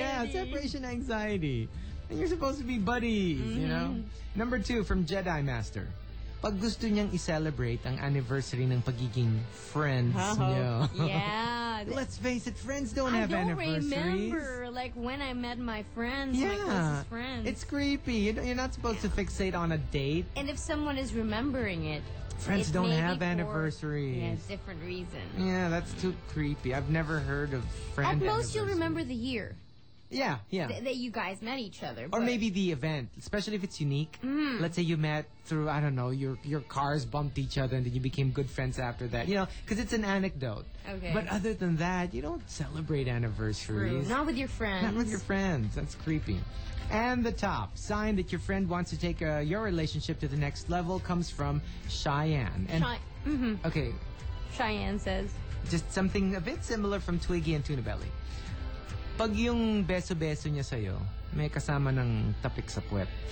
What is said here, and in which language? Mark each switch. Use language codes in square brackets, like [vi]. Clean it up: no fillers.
[en] Separation anxiety. And you're supposed to be buddies, you know? Number two from Jedi Master. [tl] Pag gusto niyang i-celebrate ang anniversary ng pagiging friends niyo. [en] Yeah. Let's face it, friends don't have anniversaries. I don't remember, like, when I met my friends, my closest friends. It's creepy. You're not supposed to fixate on a date. And if someone is remembering it, friends don't have anniversaries. For, different reason. Yeah, that's too creepy. I've never heard of friends. At most, you'll remember the year. Yeah, yeah. That you guys met each other. Or maybe the event, especially if it's unique. Mm. Let's say you met through, I don't know, your cars bumped each other and then you became good friends after that. You know, because it's an anecdote. Okay. But other than that, you don't celebrate anniversaries. True. Not with your friends. Not with your friends. That's creepy. And the top sign that your friend wants to take your relationship to the next level comes from Cheyenne. And, okay. Cheyenne says. Just something a bit similar from Twiggy and Tuna Belly. [tl] Pag yung beso-beso niya sa'yo, may kasama ng tapik sa puwet.